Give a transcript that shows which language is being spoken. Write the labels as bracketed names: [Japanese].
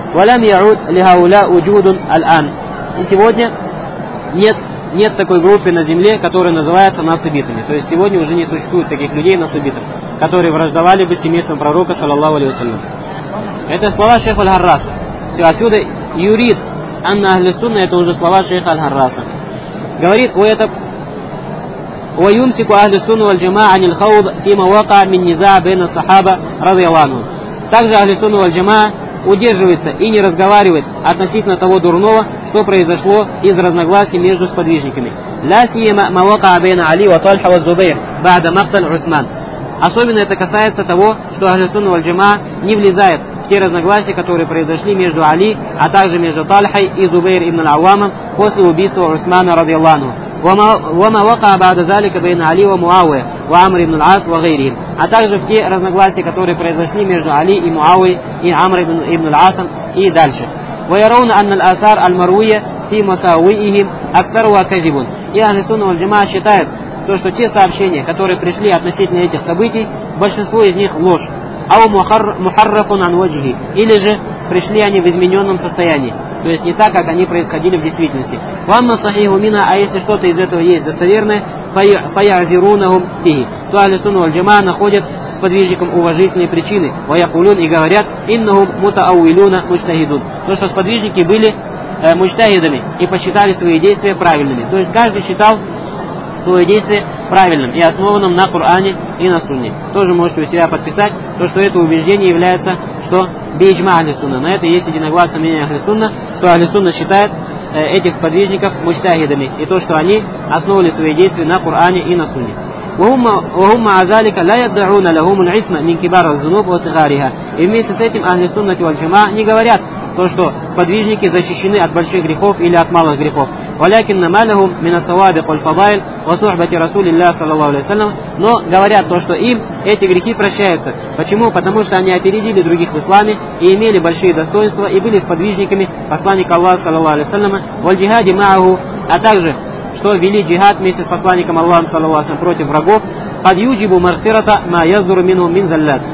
[Arabic] Валям яуд лихауля уджудун аль-ан. [Russian] И сегодня нет такой группы на земле, которая называется насибитами. То есть сегодня уже не существует таких людей насибитов, которые враждовали бы семейством пророка, саллаллаху алейхи ва саллям. Это слова шейха аль-Харраса. Все отсюда [Arabic] юрид анна аль-Сунна, [Russian] это уже слова шейха аль-Харраса. Говорит, у этого [Arabic] ويمسك أهل السنة والجماعة عن الخوض فيما وقع من نزاع بين الصحابة رضي الله عنهم. [Russian] Также أهل السنة والجماعة удерживается и не разговаривает относительно того дурного, что произошло из разногласий между сподвижниками. [Arabic] لا سيما ما وقع بين علي وطلحة والزبير بعد مقتل عثمان. [Russian] Особенно это касается того, что أهل السنة والجماعة не влезает в те разногласия, которые произошли между Али, а также между Тальхой и Зубейр ибн Аль-Авамом после убийства Усмана رضي الله عنه. [Arabic] وما وقع بعد ذلك بين علي ومعاوية وعمر بن العاص وغيرهم. [Russian] А также в те разногласия, которые произошли между Али и Муавией и Амр ибн аль-Асом и дальше. [Arabic] ويرون أن الآثار المروية في مساوئهم أكثر وكذب. [Russian] И Ахли Сунна валь Джамаа считают, то что те сообщения, которые пришли относительно этих событий, большинство из них ложь. [Arabic] أو محرف عن وجهه. [Russian] Или же пришли они в измененном состоянии. То есть не так, как они происходили в действительности. [Arabic] Вам насахиху мина, [Russian] а если что-то из этого есть достоверное, [Arabic] фаярзирунахум фихи. [Russian] То Ахли Сунна валь Джамаа находят с подвижником уважительные причины. [Arabic] Ваякулюн, [Russian] и говорят, [Arabic] иннахум мутаауилюна мучтахидун. [Russian] То, что сподвижники были мучтахидами и посчитали свои действия правильными. То есть каждый считал свое действие правильным и основанным на Коране и на Сунне. Тоже можете у себя подписать, то, что это убеждение является, что бейджма Ахли Сунна. На это есть единогласное мнение Ахли Сунна, что Ахли Сунна считает этих сподвижников мучтахидами, и то, что они основывали свои действия на Коране и на Сунне. [Arabic] وهم مع ذلك لا يدعون لهم العصمة من كبار الذنوب وصغارها. [Russian] И вместе с этим Ахли Сунна валь Джамаа не говорят то, что сподвижники защищены от больших грехов или от малых грехов. [Arabic] ولكن ما لهم من الصوابق والفضائل وصحبة رسول الله صلى الله عليه وسلم. [Russian] Но говорят то, что им эти грехи прощаются. Почему? Потому что они опередили других в исламе и имели большие достоинства и были сподвижниками посланника Аллаха صلى الله عليه وسلم. [Arabic] والجهاد [Russian] джихаде [Arabic] معه, [Russian] а также что вели джихад вместе с посланником Аллахом, саллаллаху алейхи, против врагов, [Arabic] под юджибу марфирата ма яздуру минху мин заллят.